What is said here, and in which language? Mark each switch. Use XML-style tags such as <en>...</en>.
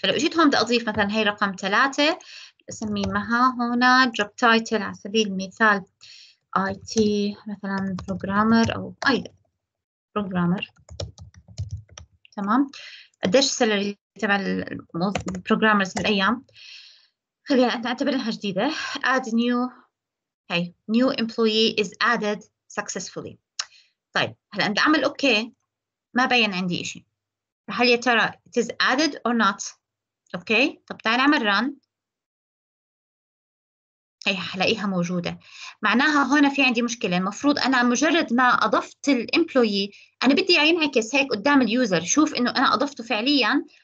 <ar>فلو جيت هون بدي أضيف مثلا هي رقم 3 أسمي مها هنا job title على سبيل المثال IT مثلا programmer أو أي programmer. تمام، قديش السالري تبع البروجرامرز هالأيام؟ خلينا نعتبر إنها جديدة.</ar> <en>Add new، هي new employee is added successfully.</en> <ar>طيب هلا عند أعمل أوكي ما بين عندي إشي، هل يا ترى</ar> <en>it is added or not؟</en> <ar>أوكي، طب تعال نعمل run، هي حلاقيها موجودة. معناها هنا في عندي مشكلة، المفروض أنا مجرد ما أضفت الإمبلوي أنا بدي ينعكس هيك قدام اليوزر شوف إنه أنا أضفته فعليا.</ar>